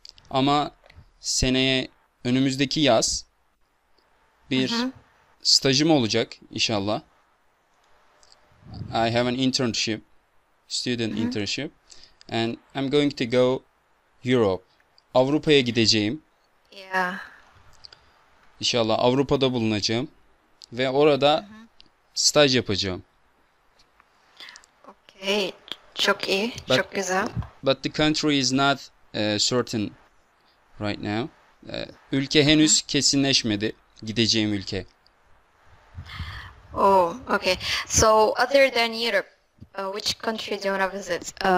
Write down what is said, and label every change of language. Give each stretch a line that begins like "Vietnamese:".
Turkish: Ama seneye önümüzdeki yaz bir stajım olacak inşallah.
English: I have an internship, student internship, and I'm going to go Europe.
Turkish: Avrupa'ya gideceğim. İnşallah Avrupa'da bulunacağım ve orada staj yapacağım. Okay, çok iyi, çok güzel.
English: But the country is not certain right now.
Turkish: Ülke henüz kesinleşmedi, gideceğim ülke.
English: Oh, okay. So, other than Europe, which country do you want to visit?